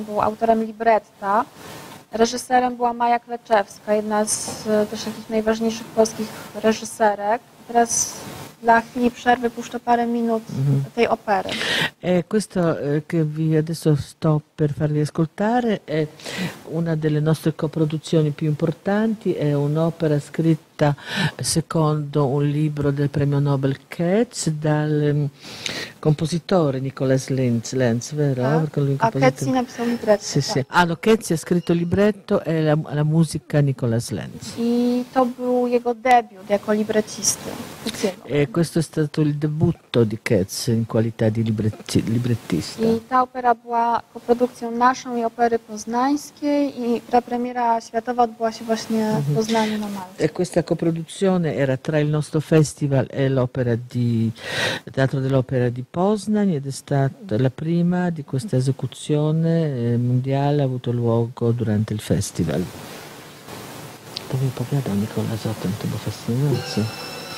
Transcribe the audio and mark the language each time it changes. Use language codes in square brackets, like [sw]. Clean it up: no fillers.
[pl] On był autorem libretta. Reżyserem była Maja Kleczewska, jedna z też takich najważniejszych polskich reżyserek. Teraz dla chwili przerwy puszczę parę minut tej opery. [it] Questo che vi adesso sto per farvi ascoltare è una delle nostre coproduzioni più importanti, è un'opera scritta secondo un libro del premio Nobel Ketz dal compositore Nicholas Lenz, vero? Ah, Ketz ha scritto il libretto. Sì, sì. Allora, Ketz ha scritto il libretto e la musica Nicholas Lenz. [pl] I to był jego debut jako librettista. [it] E questo è stato il debutto di Ketz in qualità di librettista. [pl] I ta opera była coprodukcją naszą i opery poznańskiej i prapremiera światowa odbyła się właśnie w Poznaniu na Malcie. [it] E questa coproduzione era tra il nostro festival e l'opera di Teatro dell'Opera di Poznań ed è stata la prima di questa esecuzione mondiale avuto luogo durante il festival. Dove parlava Nicola Zotto, non ti può fascinare?